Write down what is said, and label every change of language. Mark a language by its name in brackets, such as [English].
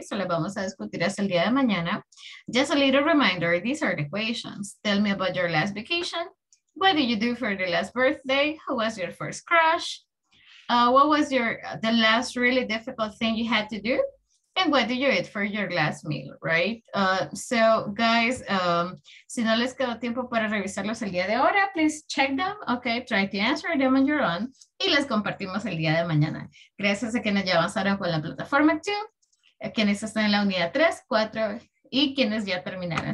[Spanish] So las vamos a discutir hasta el día de mañana. [English] Just a little reminder. These are the questions. Tell me about your last vacation. What did you do for the last birthday? Who was your first crush? What was the last really difficult thing you had to do? And what did you eat for your last meal, right? [Spanish] So guys, si no les quedó tiempo para revisarlos el día de ahora, [English] please check them, okay? Try to answer them on your own. [Spanish] Y les compartimos el día de mañana. Gracias a quienes ya avanzaron con la plataforma 2, a quienes están en la unidad 3, 4 y quienes ya terminaron.